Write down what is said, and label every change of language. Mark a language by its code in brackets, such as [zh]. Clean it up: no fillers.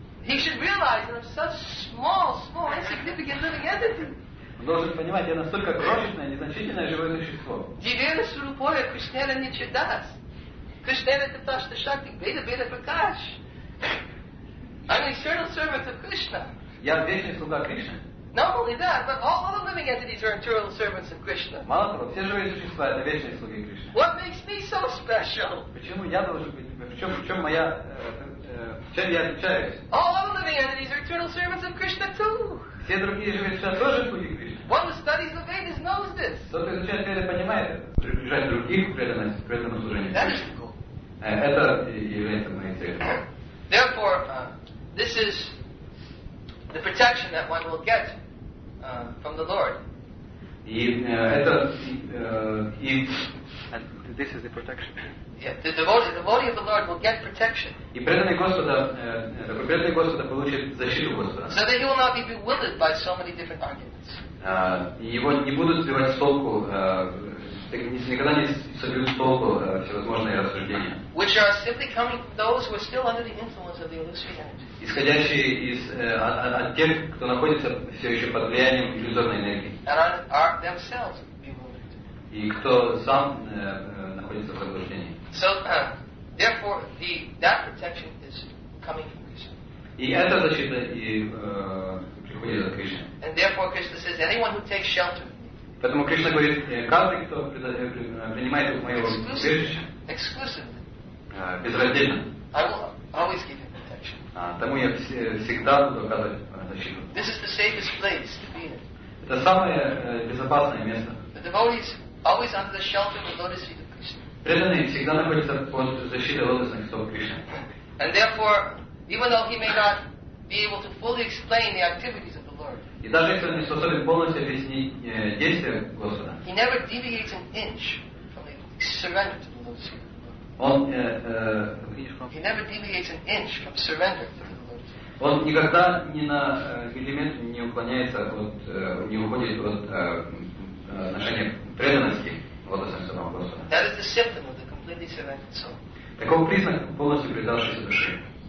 [en] He should realize that I'm such small, small, insignificant living entity. [ru] Он должен понимать, я настолько крошечное, незначительное живое существо. [sa] Дивина Сурупоя Кришнена не чудас. Кришнена Таташта Шакти Беда Беда Пракаш. [en] I'm an eternal servant of Krishna. [ru] Я вечный слуга Кришны. [en] Not only that, but all the living entities are eternal servants of Krishna. [ru] Мало того, все живые существа это вечные слуги Кришны. [en] What makes me so special? [ru] Почему я должен быть, в чем моя, чем я отличаюсь? [en] All the living entities are eternal servants of Krishna too. [ru] Все другие живые существа тоже слуги Кришны. [en] One who studies the Vedas knows this. [ru] Тот, кто изучает Веды, понимает это. Приближать других к преданности, к преданному служению. [en] That is the goal. [ru] Это является моей целью. [en] Therefore, this is the protection that one will get from the Lord. [ru] И это и [en] this is the protection. Yeah, the devotee of the Lord will get protection. [ru] И преданный Господа, преданный Господа получит защиту Господа. [en] So that he will not be bewildered by so many different arguments. [ru] Его не будут сбивать с толку, никогда не собьют с толку всевозможные рассуждения. [en] Which are simply coming from those who are still under the influence of the illusory energy. [ru] Исходящие из от тех, кто находится все еще под влиянием иллюзорной энергии. [en] And are themselves. [ru] И кто сам находится в заблуждении. [en] So, therefore, that protection is coming from Krishna. [ru] И эта защита и приходит от Кришны. [en] And therefore, Krishna says, anyone who takes shelter. [ru] Поэтому Кришна говорит, каждый, кто принимает моего убежища, [en] exclusively, [ru] безраздельно, [en] I will always give him protection. [ru] Тому я всегда буду оказывать защиту. [en] This is the safest place to be in. [ru] Это самое безопасное место. [en] The devotees always under the shelter of the lotus feet of Krishna. [ru] Преданный всегда находится под защитой лотосных стоп Кришны. [en] And therefore, even though he may not be able to fully explain the activities of the Lord, [ru] и даже если он не способен полностью объяснить действия Господа, [en] he never deviates an inch from the surrender to the lotus feet of the Lord. He never deviates an inch from surrender to the lotus feet of the Lord. [ru] Он никогда ни на миллиметр не уклоняется от, не уходит от отношения преданности лотосам самого Господа. [en] That is the symptom of the completely surrendered soul. [ru] Таков признак полностью предавшейся души.